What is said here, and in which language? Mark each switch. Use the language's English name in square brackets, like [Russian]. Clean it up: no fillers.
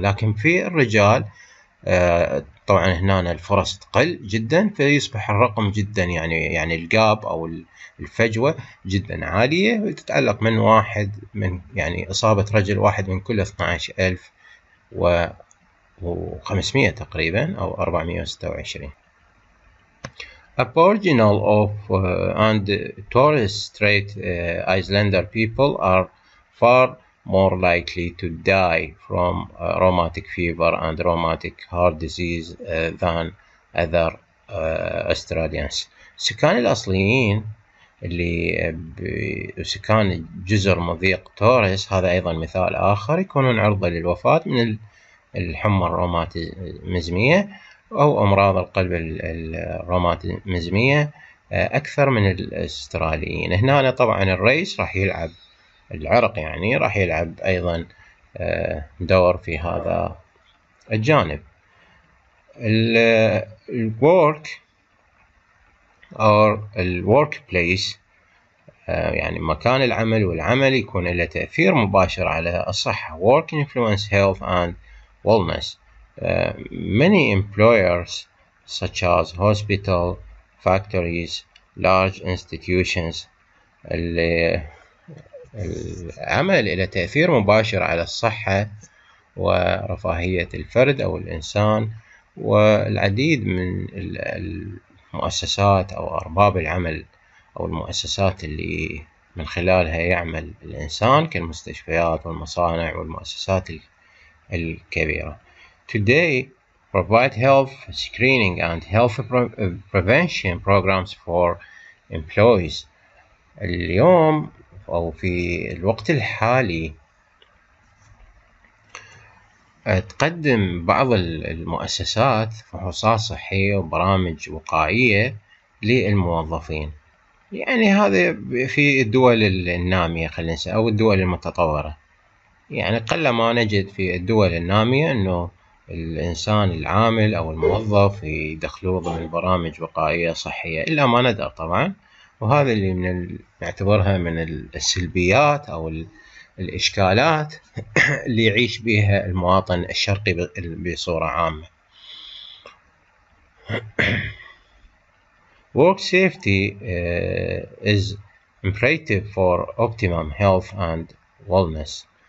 [Arabic] لكن في الرجال طبعا هنا الفرص تقل جدا، فيصبح الرقم جدا يعني الجاب أو الفجوة جدا عالية، وتتعلق من واحد من يعني إصابة رجل واحد من كل 12,500 تقريبا أو 426. [English] Aboriginal of and Torres Strait Islander people are far more likely to die from rheumatic fever and rheumatic heart disease than other Australians. [Arabic] سكان الأصليين اللي سكان جزر مضيق توريس، هذا أيضا مثال آخر، يكونون عرضة للوفاة من الحمى الروماتيزمية أو أمراض القلب الروماتيزمية أكثر من الأستراليين. هنا طبعا الريس راح يلعب، العرق يعني راح يلعب أيضا دور في هذا الجانب. الـ [English] work or [Arabic] الـ [English] workplace [Arabic] يعني مكان العمل والعمل يكون له تأثير مباشر على الصحة. [English] Work influence health and wellness. Many employers such as hospital, factories, large institutions. [Arabic] العمل له تأثير مباشر على الصحة ورفاهية الفرد أو الإنسان، والعديد من المؤسسات أو أرباب العمل أو المؤسسات اللي من خلالها يعمل الإنسان كالمستشفيات والمصانع والمؤسسات الكبيرة. [English] Today provide health screening and health prevention programs for employees. [Arabic] اليوم أو في الوقت الحالي تقدم بعض المؤسسات فحوصات صحية وبرامج وقائية للموظفين، يعني هذا في الدول النامية خلينا نسأل أو الدول المتطورة، يعني قل ما نجد في الدول النامية أنه الإنسان العامل أو الموظف يدخلوه ضمن برامج وقائية صحية إلا ما ندر طبعا، وهذا اللي من نعتبرها من السلبيات أو الإشكالات اللي يعيش بها المواطن الشرقي بصورة عامة. [English] Work safety is imperative for optimum health and wellness.